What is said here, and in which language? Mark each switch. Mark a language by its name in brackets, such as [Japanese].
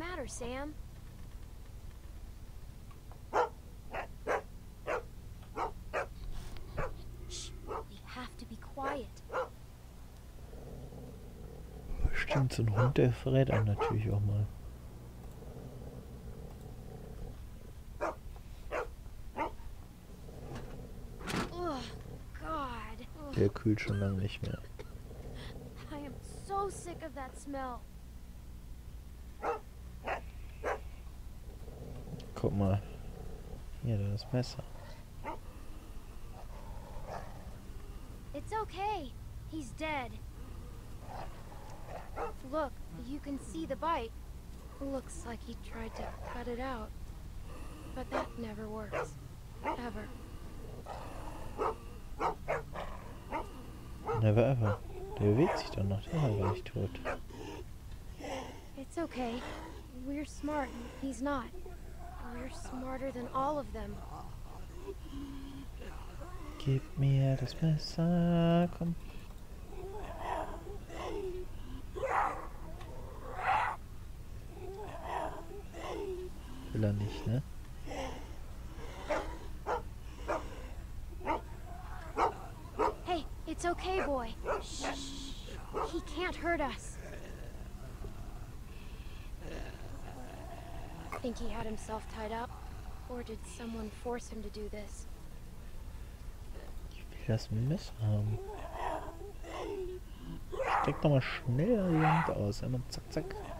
[English] Sam, shh, we have to be quiet. [German] Bestimmt, so ein Hund, der verrät einen natürlich auch mal. [English] God. [German] Der kühlt schon lange nicht mehr. [English] I am so sick of that smell. [German] Guck mal, hier das Messer. [English] It's okay, he's dead. Look, you can see the bite. Looks like he tried to cut it out, but that never works, ever. Never ever. [German] Der bewegt sich dann noch, der war nicht tot. [English] It's okay, we're smart. He's not. You're smarter than all of them. [German] Gib mir das Messer, komm. Will er nicht, ne? [English] Hey, it's okay, boy. Shh. He can't hurt us. Think he had himself tied up, or did someone force him to do this? [German] Ich will das Messer haben. Steck doch mal schnell die Hand aus, einmal zack, zack.